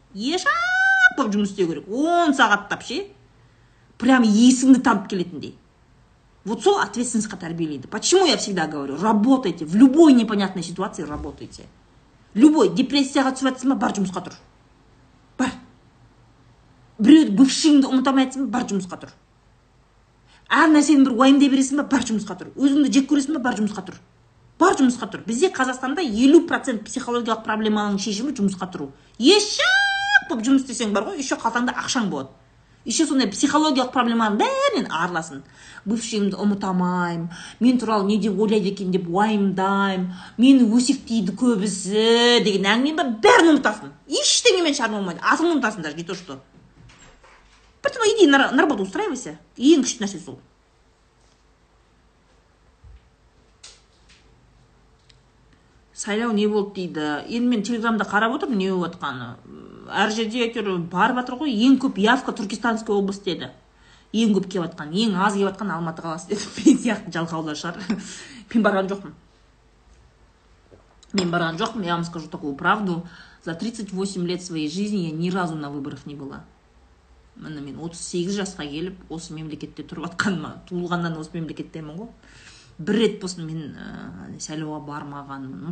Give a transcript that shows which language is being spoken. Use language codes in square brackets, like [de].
[kk] Ешақ боп жұмыс істеу керек. 10 сағаттап ше. Прям есіңді тамып келетіндей. [ru] Вот [kk] сол ответственностьқа тәрбиелейді. [ru] Почему я всегда говорю, работайте. В любой непонятной ситуации работайте. Любой. [kk] Депрессияға түсіп жатсың ба, бар жұмысқа тұр. Бар. Біреу бывшыңды ұмытамайсың ба, бар жұмысқа тұр. Әр нәрсені бір уайымдай бересің ба, бар жұмысқа тұр. Өзіңді жек көресің ба, бар жұмысқа тұр. Бар жұмысқа тұр. Бізде Қазақстанда 50% психологиялық проблеманың шешімі жұмысқа тұру. Еще боп жұмыс істесең бар ғой, еще қалтаңда ақшаң болады. Еще сондай психологиялық проблеманың бәрінен арыласын. Бывшиімді ұмытамаймын, мен туралы не деп ойлайды екен деп уайымдаймын, мені өсектейді көбісі деген әңгімен бар, бәрін ұмытасың. Ештеңемен шарма болмайды, атыңды ұмытасың даже, не то что. [ru] Поэтому иди на работу устраивайся, [kk] ең күшті нәрсе сол. Сайлау не болды дейді? Енді мен телеграмда қарап отырмын, не болып жатқаны. Әр жерде әйтеуір бар жатыр ғой. Ең көп явка Түркістанская область деді. Ең көп келіп жатқан, ең аз келіп жатқан Алматы қаласы деді. Мен сияқты жалқаулар шығар. Мен барған жоқпын. Мен барған жоқпын. [ru] Я вам скажу такую правду. За 38 лет своей жизни я ни разу на выборах не была. [kk] Міне мен 38 жасқа келіп осы мемлекетте тұрып жатқаныма, туылғаннан осы мемлекеттемін ғой. Бір рет болсын мен сайлауға бармағанмын.